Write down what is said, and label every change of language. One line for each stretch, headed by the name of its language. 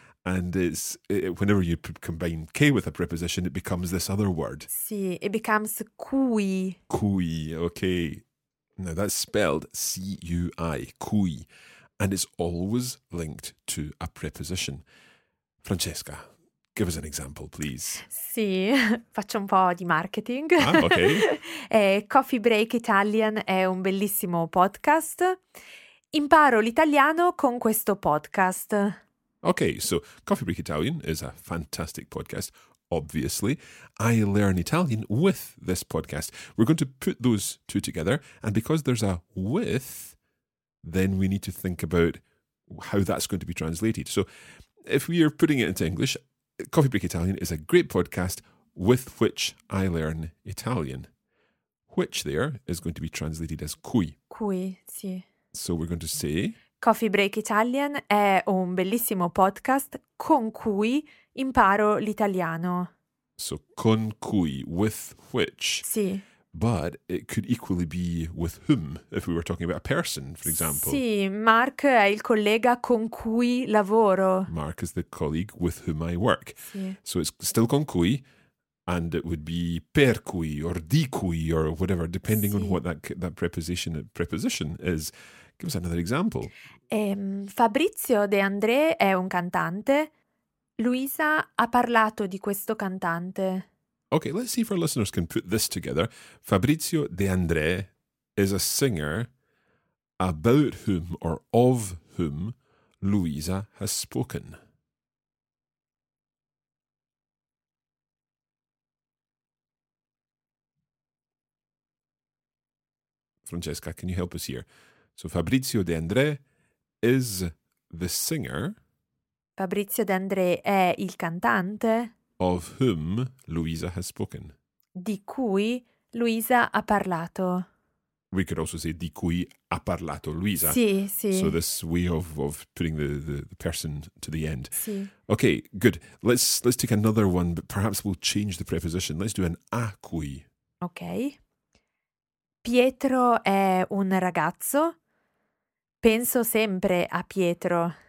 English: And whenever you combine che with a preposition, it becomes this other word. Sì, it becomes cui.
Italian: Cui, okay.
English: Now that's spelled CUI, cui. And it's always linked to a preposition. Francesca, give us an example, please.
Italian: Sì, faccio un po' di marketing. Ah, ok. Coffee Break Italian è un bellissimo podcast. Imparo l'italiano con questo podcast.
English: Okay, so Coffee Break Italian is a fantastic podcast, obviously. I learn Italian with this podcast. We're going to put those two together, and because there's a with, then we need to think about how that's going to be translated. So if we are putting it into English, Coffee Break Italian is a great podcast with which I learn Italian. Which there is going to be translated as cui.
Italian: Qui, sì.
English: So we're going to say.
Italian: Coffee Break Italian è un bellissimo podcast con cui imparo l'italiano.
English: So con cui, with which,
Italian: Sì.
English: but it could equally be with whom, if we were talking about a person, for example.
Italian: Sì, Mark è il collega con cui lavoro.
English: Mark is the colleague with whom I work.
Italian: Sì.
English: So it's still con cui, and it would be per cui or di cui or whatever, depending on
Italian: Sì.
English: what that preposition is. Give us another example.
Italian: Fabrizio De André è un cantante. Luisa ha parlato di questo cantante.
English: Okay, let's see if our listeners can put this together. Fabrizio De André is a singer about whom or of whom Luisa has spoken. Francesca, can you help us here? So Fabrizio De André is the singer.
Italian: Fabrizio D'André è il cantante.
English: Of whom Luisa has spoken.
Italian: Di cui Luisa ha parlato.
English: We could also say
Italian: di cui ha parlato Luisa. Sì, sì.
English: So this way of putting the person to the end.
Italian: Sì.
English: Okay, good. Let's take another one, but perhaps we'll change the preposition. Let's do an a cui.
Italian: Okay. Pietro è un ragazzo. Penso sempre a Pietro.